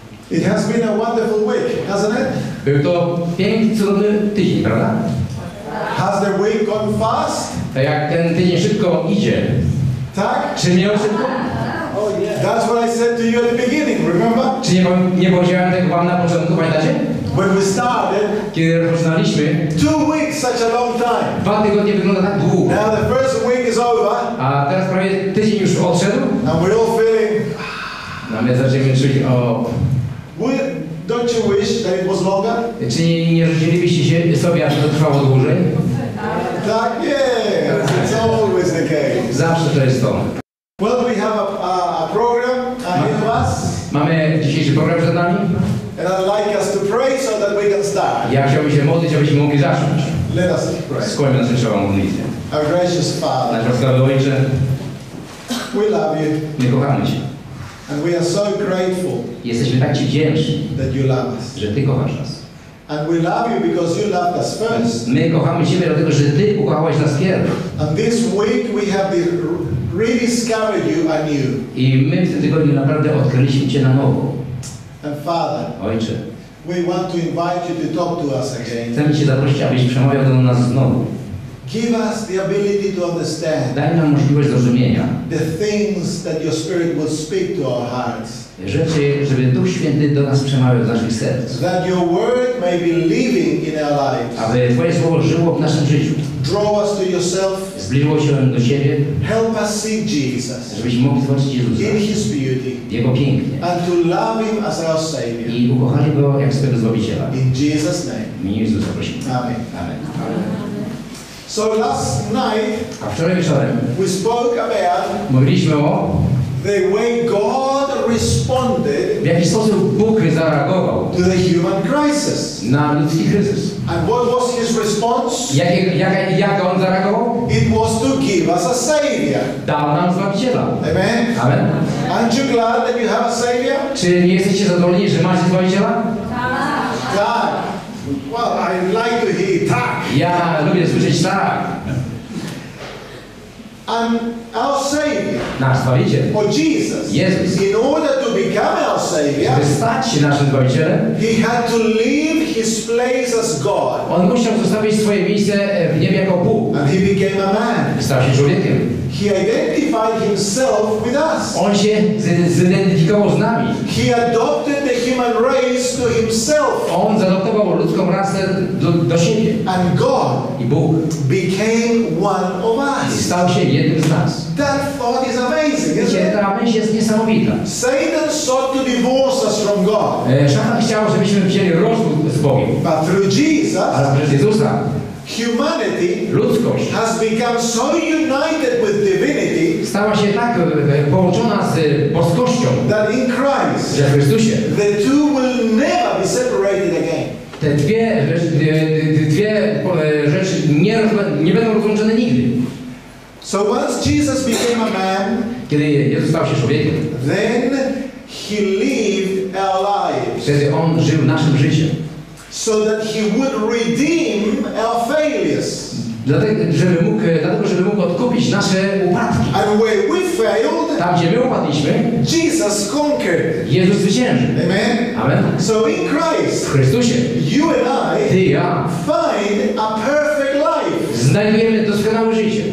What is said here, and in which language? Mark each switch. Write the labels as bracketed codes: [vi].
[en] It has been a wonderful week, hasn't it? [pl] Był to piękny, cudowny tydzień, prawda? [en] Has the week gone fast? [pl] To jak ten tydzień szybko idzie. Tak? Czy nie on szybko? [en] Oh, yeah. That's what I said to you at the beginning, remember? [pl] Czy nie powiedziałem tego wam na początku, pamiętacie? [en] When we started, [pl] kiedy rozpoczynaliśmy, [en] 2 weeks, such a long time. [pl] 2 tygodnie wygląda tak długo. [en] Now the first week is over. [pl] A teraz prawie tydzień już odszedł. [en] And we're all feeling... [pl] No, my zaczynamy czuć, o... [en] Don't you wish that it was longer? [pl] Czy nie życzylibyście sobie, aby to trwało dłużej? Tak, [en] yes, it's always the case. [pl] Zawsze to jest to. [en] Well, we have a program ahead of us. [pl] Mamy dzisiejszy program przed nami. [en] And I'd like us to pray so that we can start. [pl] Ja chciałbym się modlić, abyśmy mogli zacząć. [en] Let us pray. [pl] Skłońmy nasze czoła modlitwie. [en] Our gracious Father. [pl] Nasz łaskawy Ojcze. [en] We love you. [pl] My kochamy Cię. [en] And we are so grateful. [pl] Jesteśmy tak Ci wdzięczni, [en] that you love us. [pl] Że Ty kochasz nas. [en] And we love you because you loved us first. [pl] My kochamy Ciebie dlatego, że Ty ukochałeś nas pierwszy. [en] And this week we have rediscovered you anew. [pl] I my w tym tygodniu naprawdę odkryliśmy Cię na nowo. [en] And Father, [pl] Ojcze, [en] we want to invite you to talk to us again. [pl] Chcemy Cię zaprosić, abyś przemawiał do nas znowu. [en] Give us the ability to understand. [pl] Daj nam możliwość zrozumienia. [en] The things that your spirit will speak to our hearts. [pl] Rzeczy, żeby Duch Święty do nas przemawiał w naszych sercach. [en] That your word may be living in our lives. [pl] Aby Twoje słowo żyło w naszym życiu. [en] Draw us to yourself. [pl] Zbliżyło się do siebie. [en] Help us see Jesus. [pl] Żebyśmy mogli zobaczyć Jezusa. [en] In his beauty. [pl] Jego pięknie. [en] And to love him as our savior. [pl] I ukochali go jak swego Zbawiciela. [en] In Jesus name. [pl] W imię Jezusa prosimy. [en] Amen. [pl] Amen. [en] So last night, [pl] a wczoraj wieczorem, [en] we spoke about, [pl] mówiliśmy o [en] the way God responded, [pl] w jaki sposób Bóg zareagował, [en] to the human crisis, [pl] na ludzki kryzys. [en] And what was his response? [pl] Jak on zareagował? [en] It was to give us a savior. [pl] Dał nam Zbawiciela. [en] Amen. [pl] Amen. [en] Aren't you glad that you have a savior? [pl] Czy nie jesteście zadowoleni, że macie Zbawiciela? Tak. [en] Well, I like to hear [pl] tak. Ja lubię słyszeć tak. [en] And our Savior, [pl] nasz Zbawiciel, [en] or Jesus, [pl] Jezus, [en] in order to become our Savior, [pl] żeby stać się naszym Zbawicielem, [en] he had to leave his place as God. [pl] On musiał zostawić swoje miejsce w niebie jako Bóg. [en] And he became a man. [pl] Stał się człowiekiem. [en] He identified himself with us. [pl] On się zidentyfikował z nami. [en] He adopted the human race to himself. [pl] On zaadoptował ludzką rasę do siebie. [en] And God, [pl] i Bóg, [en] became one of us. [pl] I stał się jednym z nas. [en] That thought is amazing, isn't it? [pl] Ta myśl jest niesamowita. [en] Satan sought to divorce us from God. [pl] Szatan chciał, żebyśmy wzięli rozwód z Bogiem. [en] But through Jesus, [pl] ale przez Jezusa, [en] humanity, [pl] ludzkość, [en] has become so united with divinity, [pl] stała się tak połączona z boskością, [en] that in Christ, [pl] że w Chrystusie, [en] the two will never be separated again. [pl] Te dwie rzeczy nie będą rozłączone nigdy. [en] So once Jesus became a man, [pl] kiedy Jezus stał się człowiekiem, [en] then he lived our lives. [pl] Wtedy on żył naszym życiem. [en] So that he would redeem our failures. [pl] Dlatego, żeby mógł odkupić nasze upadki. [en] And where we failed, [pl] tam gdzie my upadliśmy, [en] Jesus conquered. [pl] Jezus zwyciężył. [en] Amen. [pl] Amen. [en] So in Christ, [pl] w Chrystusie, [en] you and I, [pl] ty, ja, [en] find a perfect life. [pl] Znajdujemy doskonałe życie.